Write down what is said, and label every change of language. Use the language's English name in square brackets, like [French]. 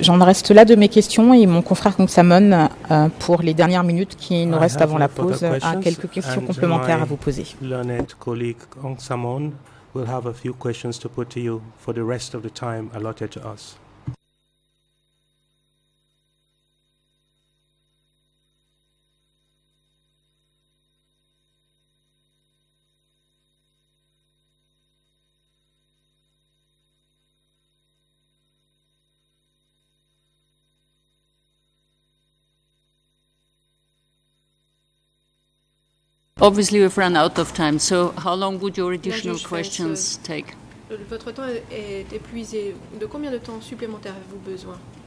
[French] J'en reste là de mes questions et mon confrère Kong Samon, pour les dernières minutes qui nous restent avant la pause, a quelques questions complémentaires à vous poser. [English] My learned colleague Kong Samon will have a few questions to put to you for the rest of the time allotted to us. Obviously, we've run out of time. So, how long would your additional questions take? [French] Votre temps est épuisé. De combien de temps supplémentaire avez-vous besoin?